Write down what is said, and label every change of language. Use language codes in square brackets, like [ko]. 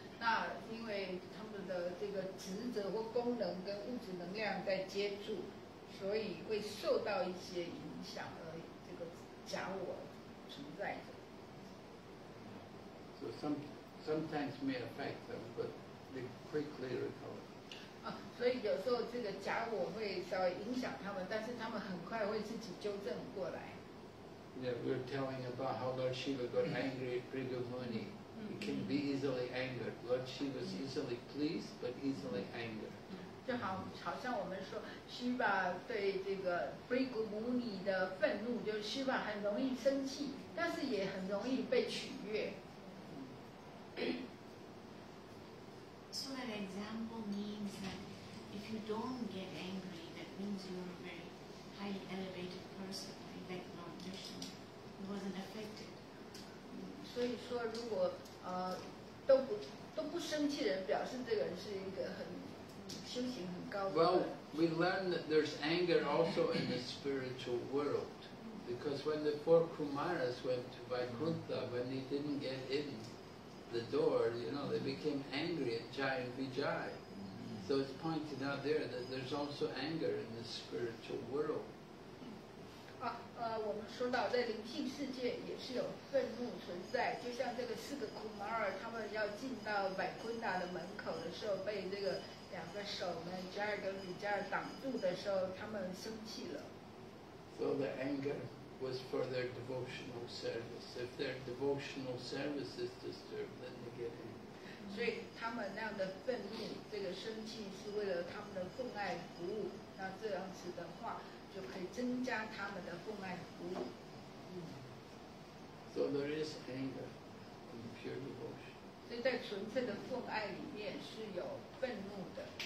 [zh] 那因为他们的这个职责或功能跟物质能量在接触，所以会受到一些影响而这个假我存在着。 [en] So sometimes may affect them, but they quickly recover. [zh] 所以有时候这个假我会稍微影响他们，但是他们很快会自己纠正过来。 [en] Yeah, we're telling about how Lord Shiva got angry at Brihadmuni. He can be easily angered. Lord Shiva is easily pleased, but easily angered. [zh] 就好，好像我们说 Shiva 对这个 Brihadmuni 的愤怒，就是 Shiva 很容易生气，但是也很容易被取悦。 [en] So an example means that if you don't get angry, that means you're a very highly elevated person, like Lord Vishnu, who wasn't affected. [zh] 所以说，如果都不生气的人，表示这个人是一个很修行很高的。 [en] Well, we learn that there's anger also in the spiritual world, because when the four Kumaras went to Vaikuntha, when they didn't get in. The door, you know, they became angry at Jai and Vijay. So it's pointed out there that there's also anger in the spiritual world. [zh] 我们说到在灵性世界也是有愤怒存在，就像这个四个库玛尔他们要进到百昆达的门口的时候，被这个两个守门Jai跟Vijay挡住的时候，他们生气了。 [en] So the anger. Was for their devotional service. If their devotional service is disturbed, then they get angry. [zh] 所以他们那样的愤怒，这个生气是为了他们的奉爱服务。那这样子的话，就可以增加他们的奉爱服务。 [en] So there is anger in pure devotion. [zh] 所以在纯粹的奉爱里面是有愤怒的。